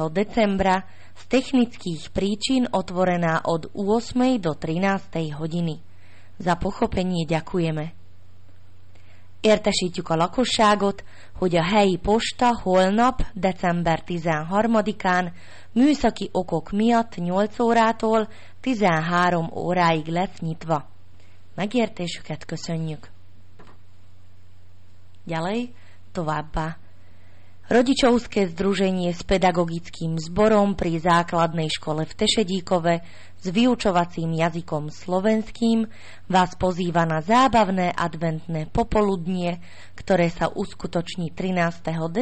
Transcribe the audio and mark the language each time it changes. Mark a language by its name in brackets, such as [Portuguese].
[Slovak] decembra z technických príčin otvorená od 8. do 13. hodiny. Za pochopenie ďakujeme. [Hungarian] Értesítjük a lakosságot, hogy a helyi posta holnap, december 13-án műszaki okok miatt 8 órától 13 óráig lesz nyitva. Megértésüket köszönjük. [Slovak] Ďalej, [Hungarian] továbbá. [Slovak] Rodičovské združenie s pedagogickým zborom pri základnej škole v Tešedíkove s vyučovacím jazykom slovenským vás pozýva na zábavné adventné popoludnie, ktoré sa uskutoční 13.